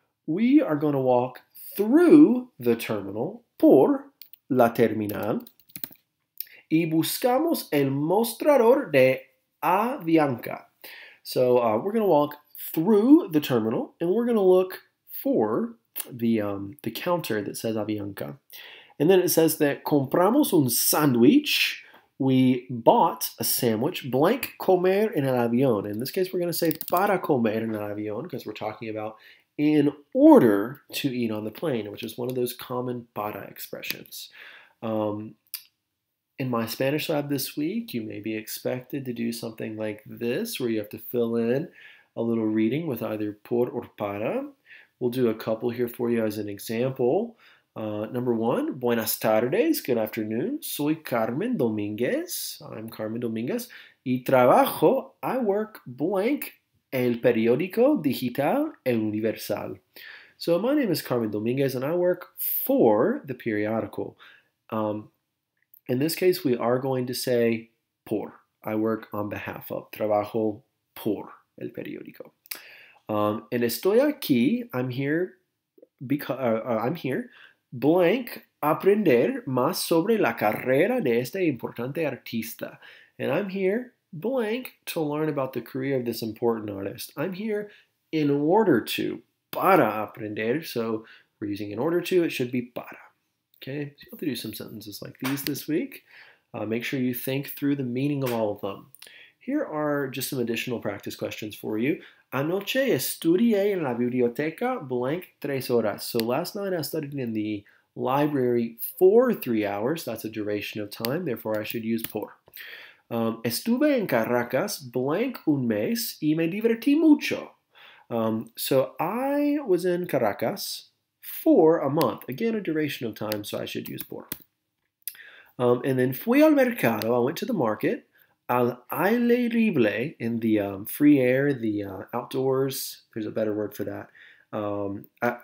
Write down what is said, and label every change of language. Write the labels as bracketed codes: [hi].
[en] We are going to walk through the terminal, [es] por la terminal. y buscamos el mostrador de Avianca. [en] So we're going to walk through the terminal and we're going to look for the counter that says Avianca. And then it says that [es] compramos un sandwich. [en] We bought a sandwich, blank [es] comer en el avión. [en] In this case, we're going to say [es] para comer en el avión [en] because we're talking about in order to eat on the plane, which is one of those common para expressions. In my Spanish lab this week, you may be expected to do something like this where you have to fill in a little reading with either por or para. We'll do a couple here for you as an example. Number one, [es] buenas tardes, [en] good afternoon. [es] Soy Carmen Dominguez. [en] I'm Carmen Dominguez. [es] Y trabajo, [en] I work blank, [es] el periódico digital El Universal. [en] So my name is Carmen Dominguez and I work for the periodical. In this case, we are going to say por. I work on behalf of. [es] Trabajo por el periódico. [en] And [es] estoy aquí. [en] I'm here because I'm here. [es] Blank, aprender más sobre la carrera de este importante artista. [en] And I'm here, blank, to learn about the career of this important artist. I'm here in order to, [es] para aprender. [en] So we're using in order to, it should be para. Okay, so you'll have to do some sentences like these this week. Make sure you think through the meaning of all of them. Here are just some additional practice questions for you. [es] Anoche estudié en la biblioteca blank 3 horas. [en] So last night I studied in the library for 3 hours. That's a duration of time. Therefore, I should use por. [es] Estuve en Caracas blank un mes y me divertí mucho. [en] So I was in Caracas for a month. Again, a duration of time, so I should use por. And then [es] fui al mercado. [en] I went to the market. [es] Al aire libre, [en] in the free air, the outdoors, there's a better word for that.